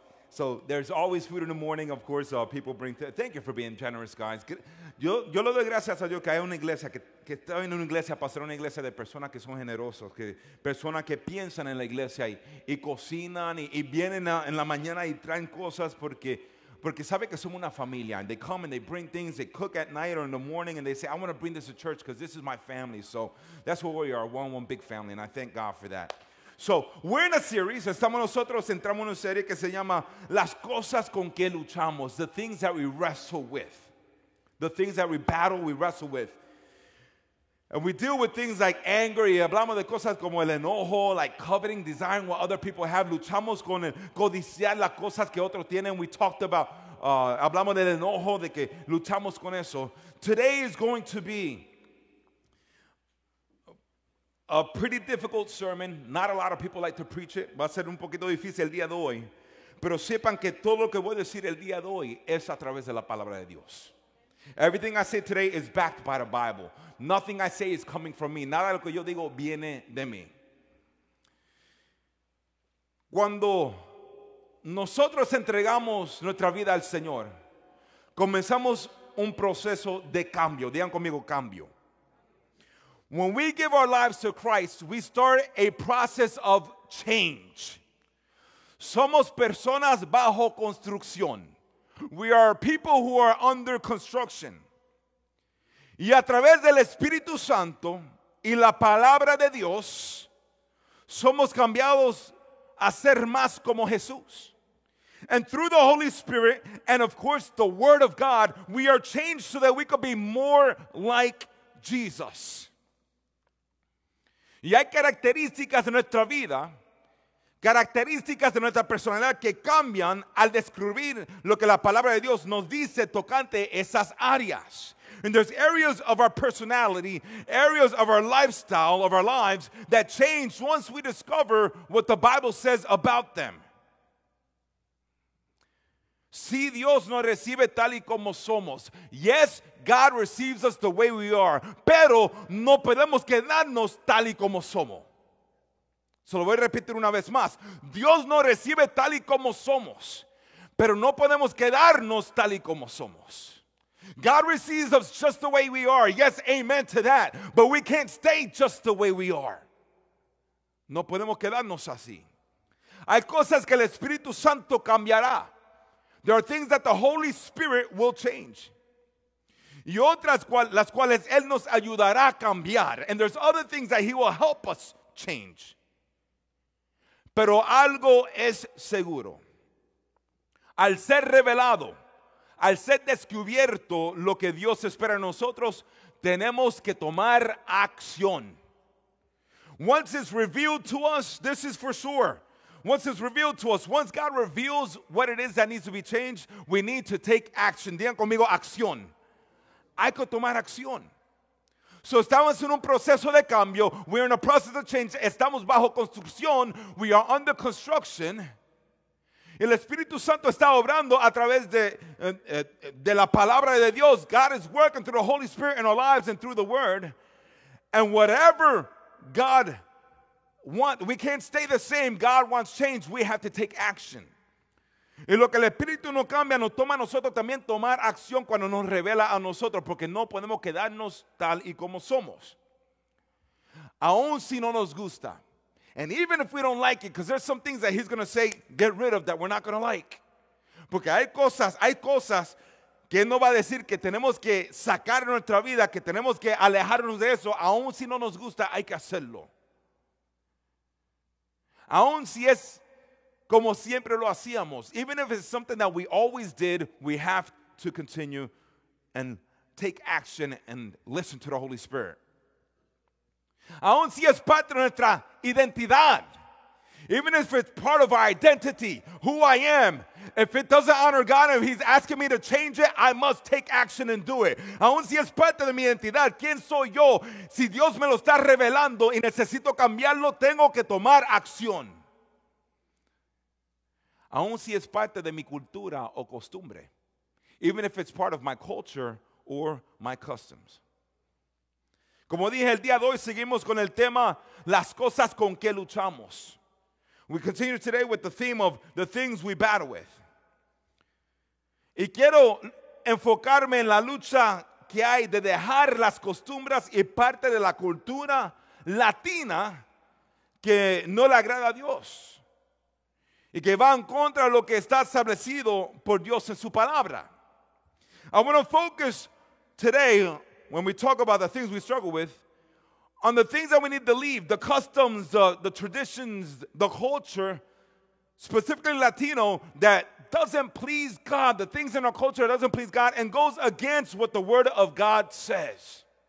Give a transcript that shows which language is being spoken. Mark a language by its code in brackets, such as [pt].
[en] So there's always food in the morning, of course. People bring. Thank you for being generous, guys. [es] Yo lo doy gracias a Dios que hay una iglesia que está en una iglesia, pastor, una iglesia de personas que son generosos, que personas que piensan en la iglesia y cocinan y vienen en la mañana y traen cosas porque sabe que somos una familia. [en] And they come and they bring things. They cook at night or in the morning and they say, I want to bring this to church because this is my family. So that's what we are, one big family, and I thank God for that. So, we're in a series, [es] entramos en una serie que se llama Las Cosas Con Que Luchamos, [en] The Things That We Wrestle With. The things that we battle, we wrestle with. And we deal with things like anger, [es] y hablamos de cosas como el enojo, [en] like coveting, desiring what other people have. [es] Luchamos con el codiciar las cosas que otros tienen. [en] We talked about, [es] hablamos del enojo, de que luchamos con eso. [en] Today is going to be a pretty difficult sermon. Not a lot of people like to preach it. [es] Va a ser un poquito difícil el día de hoy. Pero sepan que todo lo que voy a decir el día de hoy es a través de la palabra de Dios. [en] Everything I say today is backed by the Bible. Nothing I say is coming from me. [es] Nada de lo que yo digo viene de mí. Cuando nosotros entregamos nuestra vida al Señor, comenzamos un proceso de cambio. Digan conmigo, cambio. [en] When we give our lives to Christ, we start a process of change. [es] Somos personas bajo construcción. [en] We are people who are under construction. [es] Y a través del Espíritu Santo y la palabra de Dios, somos cambiados a ser más como Jesús. [en] And through the Holy Spirit, and of course the Word of God, we are changed so that we could be more like Jesus. [es] Y hay características de nuestra vida, características de nuestra personalidad que cambian al describir lo que la palabra de Dios nos dice tocante esas áreas. [en] And there's areas of our personality, areas of our lifestyle, of our lives, that change once we discover what the Bible says about them. [es] Si Dios nos recibe tal y como somos. [en] Yes, God receives us the way we are. [es] Pero no podemos quedarnos tal y como somos. Se lo voy a repetir una vez más. Dios nos recibe tal y como somos. Pero no podemos quedarnos tal y como somos. [en] God receives us just the way we are. Yes, amen to that. But we can't stay just the way we are. [es] No podemos quedarnos así. Hay cosas que el Espíritu Santo cambiará. [en] There are things that the Holy Spirit will change. [es] Y otras las cuales Él nos ayudará a cambiar. [en] And there's other things that He will help us change. [es] Pero algo es seguro. Al ser revelado, al ser descubierto lo que Dios espera de nosotros, tenemos que tomar acción. [en] Once it's revealed to us, this is for sure. Once it's revealed to us, once God reveals what it is that needs to be changed, we need to take action. [es] Digan conmigo, acción. Hay que tomar acción. [en] So, [es] estamos en un proceso de cambio. [en] We're in a process of change. [es] Estamos bajo construcción. [en] We are under construction. [es] El Espíritu Santo está obrando a través de la palabra de Dios. [en] God is working through the Holy Spirit in our lives and through the Word. And whatever God wants, we can't stay the same. God wants change. We have to take action. [es] Y lo que el Espíritu no cambia, nos toma a nosotros también tomar acción cuando nos revela a nosotros, porque no podemos quedarnos tal y como somos. Aun si no nos gusta. [en] And even if we don't like it, because there's some things that He's going to say, get rid of, that we're not going to like. [es] Porque hay cosas que Él no va a decir que tenemos que sacar de nuestra vida, que tenemos que alejarnos de eso. Aun si no nos gusta, hay que hacerlo. Aun si es como siempre lo hacíamos. [en] Even if it's something that we always did, we have to continue and take action and listen to the Holy Spirit. [es] Aun si es parte de nuestra identidad, [en] even if it's part of our identity, who I am, if it doesn't honor God, if He's asking me to change it, I must take action and do it. [es] Aun si es parte de mi identidad, ¿quién soy yo? Si Dios me lo está revelando y necesito cambiarlo, tengo que tomar acción. Aun si es parte de mi cultura o costumbre, [en] even if it's part of my culture or my customs. [es] Como dije, el día de hoy seguimos con el tema, las cosas con que luchamos. [en] We continue today with the theme of the things we battle with. [es] Y quiero enfocarme en la lucha que hay de dejar las costumbres y parte de la cultura latina que no le agrada a Dios. Y que va en contra de lo que está establecido por Dios en su palabra. [en] I want to focus today, when we talk about the things we struggle with, on the things that we need to leave, the customs, the traditions, the culture, specifically Latino, that doesn't please God, the things in our culture that doesn't please God and goes against what the Word of God says.